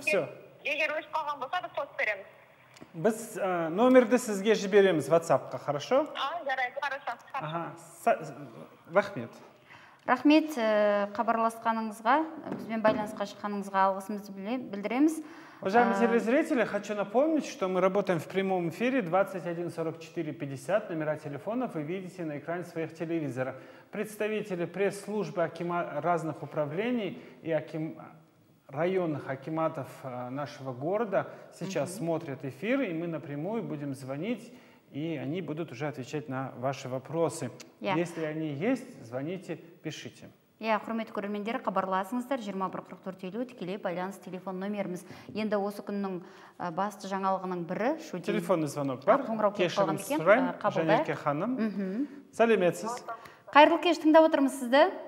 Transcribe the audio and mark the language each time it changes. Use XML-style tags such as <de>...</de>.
<ru>Все.</ru> <kk>Егер өшіп қалған болса, біз тосып береміз. Біз номерді сізге жібереміз WhatsApp-қа,</kk> <ru>хорошо?</ru> <kk>Жарайды,</kk> <ru>хорошо.</ru> <kk>Рахмет. Рахмет қабарласқаныңызға, бізбен байланысқа шыққаныңызға алғысымызды білдіреміз.</kk> <ru>Уважаемые телезрители, хочу напомнить, что мы работаем в прямом эфире 21-44-50. Номера телефонов вы видите на экране своих телевизоров. Представители пресс-службы разных управлений и районных акиматов нашего города сейчас смотрят эфир, и мы напрямую будем звонить, и они будут уже отвечать на ваши вопросы. Если они есть, звоните, пишите. Я,</ru> <kk>құрметті көрермендер, хабарласыңыздар, 21-44-50, тікелей байланыс телефон номеріміз. Енді осы күннің басты жаңалығының бірі, Шуддин.</kk> <ru>Телефонный звонок</ru> <kk>бар, кешірім сұрайын, Жанерке ханым. Сәлеметсіз. Қайырлы кеш, тыңдап отырмыз сізді.</kk>